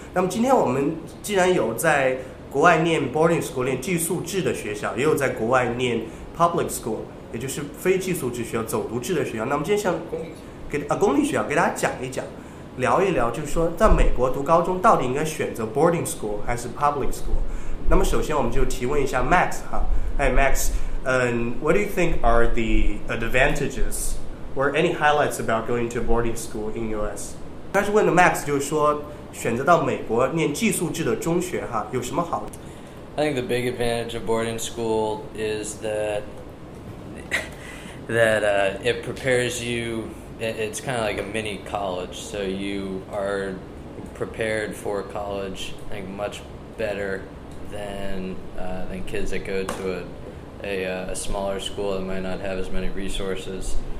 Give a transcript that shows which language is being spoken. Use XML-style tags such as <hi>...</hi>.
<zh>那么今天我们既然有在国外念 boarding school 念寄宿制的学校，也有在国外念 public school， 也就是非寄宿制学校、走读制的学校。那么今天向公立学校给大家讲一讲，聊一聊，就是说在美国读高中到底应该选择 boarding school 还是 public school。那么首先我们就提问一下 Max 哈。</zh> <en>哎 Max， what do you think are the advantages or any highlights about going to a boarding school in US？</en> <zh>但是问的 Max 就是说选择到美国念寄宿制的中学哈，有什么好的？</zh> <en>I think the big advantage of boarding school is that it prepares youIt's kind of like a mini college, so you are prepared for college, I think, much better than kids that go to a smaller school that might not have as many resources.</en>